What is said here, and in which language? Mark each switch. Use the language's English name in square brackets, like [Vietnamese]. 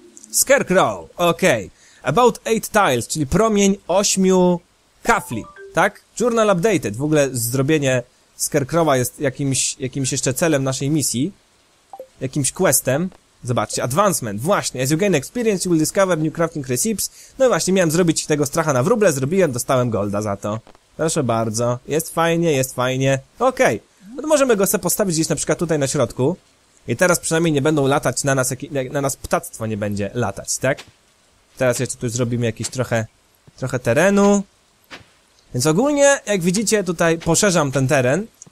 [Polish] Scarecrow, okej. Okay. [English] About 8 tiles, [Polish] czyli promień 8 kafli, tak? [English] Journal updated, [Polish] w ogóle zrobienie Scarecrowa jest jakimś jeszcze celem naszej misji. Jakimś questem. Zobaczcie, advancement, właśnie. [English] As you gain experience, you will discover new crafting recipes. [Polish] No właśnie, miałem zrobić tego stracha na wróble, zrobiłem, dostałem golda za to. Proszę bardzo. Jest fajnie, okej. Okay. No możemy go sobie postawić gdzieś na przykład tutaj na środku. I teraz przynajmniej nie będą latać na nas, na nas ptactwo nie będzie latać, tak? Teraz jeszcze tu zrobimy jakieś trochę terenu. Więc ogólnie, jak widzicie, tutaj poszerzam ten teren.